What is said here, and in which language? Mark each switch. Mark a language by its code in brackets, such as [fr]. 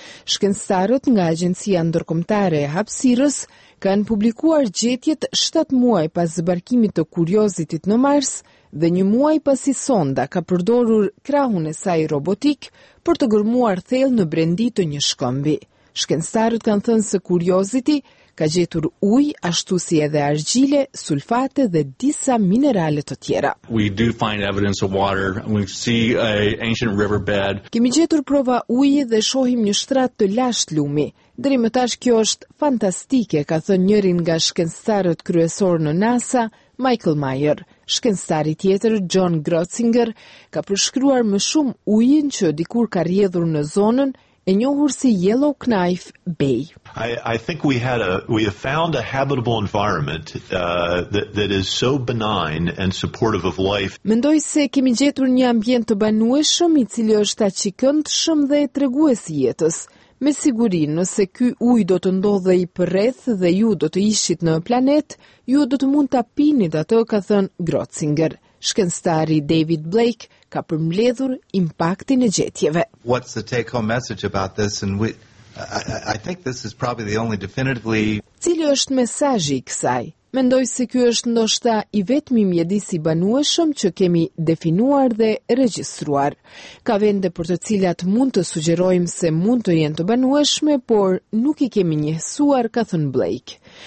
[sq] Shkencëtarët nga Agjencia Ndërkombëtare e Hapësirës kanë publikuar gjetjet 7 muaj pas zbarkimit të Curiosity në Mars dhe 1 muaj pasi sonda ka përdorur krahun e saj robotik për të gërmuar thellë në brendi të një shkëmbi. Shkencëtarët kanë thënë se Curiosity ka gjetur ujë, ashtu si edhe argjile, sulfate dhe disa minerale të tjera. [en] We do find evidence of water. We see an ancient riverbed. [sq] Kemi gjetur prova uji dhe shohim një shtrat të lasht lumi. Deri më tash kjo është fantastike, ka thënë njëri nga shkencëtarët kryesor në NASA, Michael Mayer. Shkencëtari tjetër, John Grotzinger, ka përshkruar më shumë ujin që dikur ka rrjedhur në zonën e njohur si Yellow Knife Bay. [en] I think we have found a habitable environment that is so benign and supportive of life. [sq] Mendoj se kemi gjetur një ambient të banueshëm i cili është aq i këndshëm dhe tregues i jetës. Me siguri, nëse ky ujë do të ndodhej përreth dhe ju do të ishit në planet, ju do të mund ta pinit atë, ka thënë Grotzinger. Shkencëtari David Blake ka përmbledhur impaktin e gjetjeve. [en] What's the take home message about this? And I think this is probably the only definitively. [sq] Cili është mesazhi i kësaj? Mendoj se ky është ndoshta i vetmi mjedis i banueshëm që kemi definuar dhe regjistruar. Ka vende për të cilat mund të sugjerojmë se mund të jenë të banueshme, por nuk i kemi njehsuar, ka thënë Blake.